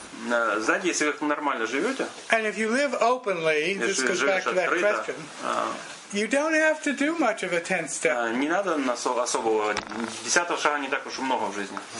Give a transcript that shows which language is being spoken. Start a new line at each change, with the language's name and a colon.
Russian: знаете, если вы нормально живете,
English: and if you live openly, this goes back to that question, you don't have to do much of a 10th step.
Russian: Не надо особого. 10-го шага не так уж много в жизни.